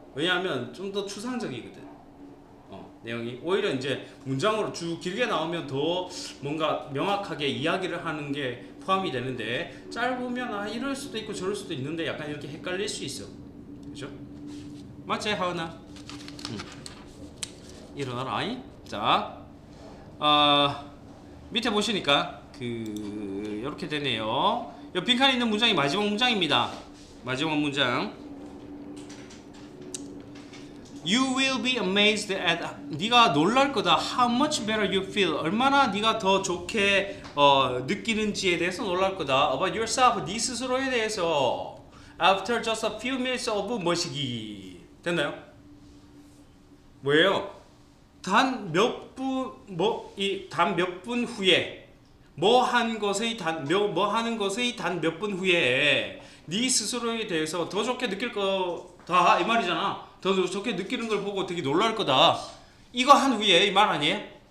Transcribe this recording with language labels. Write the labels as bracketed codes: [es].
[ko] 왜냐하면 좀 더 추상적이거든. 내용이 오히려 이제 문장으로 쭉 길게 나오면 더 뭔가 명확하게 이야기를 하는 게 포함이 되는데, 짧으면 이럴 수도 있고 저럴 수도 있는데 약간 이렇게 헷갈릴 수 있어, 그죠? 맞지 하은아? 일어나라. 자, 밑에 보시니까 이렇게 되네요. 빈칸 있는 문장이 마지막 문장입니다. 마지막 문장. [en] You will be amazed at [ko] 네가 놀랄 거다. [en] How much better you feel. [ko] 얼마나 네가 더 좋게 느끼는지에 대해서 놀랄 거다. [en] About yourself. [ko] 네 스스로에 대해서. [en] After just a few minutes of 머시기. [ko] 됐나요? 뭐예요? 단 몇 분 뭐 이 단 몇 분 후에 뭐 한 것의 단 몇 뭐 하는 것의 단 몇 분 후에 네 스스로에 대해서 더 좋게 느낄 거다 이 말이잖아. 더 좋게 느끼는 걸 보고 되게 놀랄 거다. 이거 한 후에 이 말 아니에요?